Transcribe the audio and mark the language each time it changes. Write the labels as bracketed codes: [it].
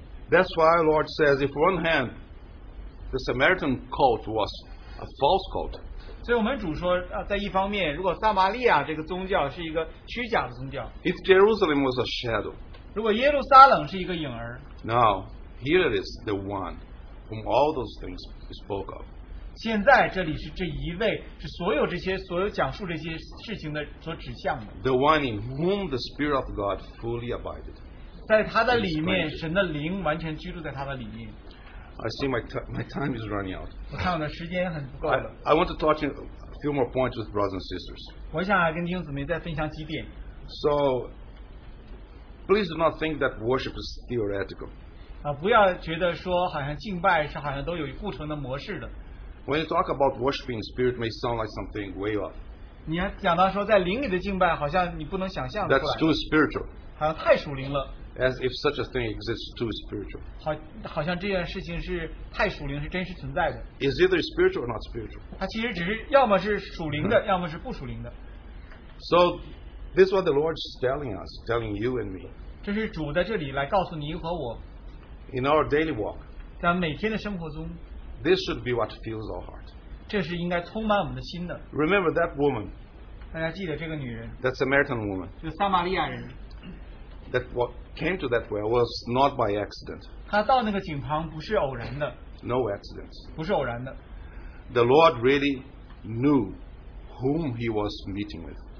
[en] That's why our Lord says if on one hand the Samaritan cult was a false cult, [zh] 所以我们主说在一方面如果撒玛利亚这个宗教是一个虚假的宗教， [en] if Jerusalem was a shadow, [zh] 如果耶路撒冷是一个影儿， [en] Now here it is the one whom all those things spoke of. [zh] 现在这里是这一位，是所有这些所有讲述这些事情的所指向的。 [en] The one in whom the Spirit of God fully abided. [zh] 在他的里面，神的灵完全居住在他的里面。 [en] I see my time is running out. [zh] 我看我的时间很不够了。 [en] I want to touch a few more points with brothers and sisters. [zh] 我想跟弟兄姊妹再分享几点。 [en] So. Please do not think that worship is theoretical. [zh] 不要觉得说好像敬拜是好像都有一固成的模式的。 [en] When you talk about worshiping in spirit, may sound like something way off. [zh] 你还讲到说在灵里的敬拜，好像你不能想象出来。 [en] That's too spiritual. [zh] 好像太属灵了。 [en] As if such a thing exists, too spiritual. [zh] 好像这件事情是太属灵，是真实存在的。 [en] Is either spiritual or not spiritual? [zh] 它其实只是要么是属灵的，要么是不属灵的。 [en] So. This is what the Lord is telling us, telling you and me. [zh] 这是主在这里来告诉你和我。 [en] In our daily walk, [zh] 在每天的生活中， [en] this should be what fills our heart. [zh] 这是应该充满我们的心的。 [en] Remember that woman. [zh] 大家记得这个女人。 [en] That Samaritan woman. [zh] 就撒玛利亚人。 [en] That what came to that well was not by accident. [zh] 她到那个井旁不是偶然的。 [en] No accidents. [zh] 不是偶然的。 [en] The Lord really knew whom He was meeting with.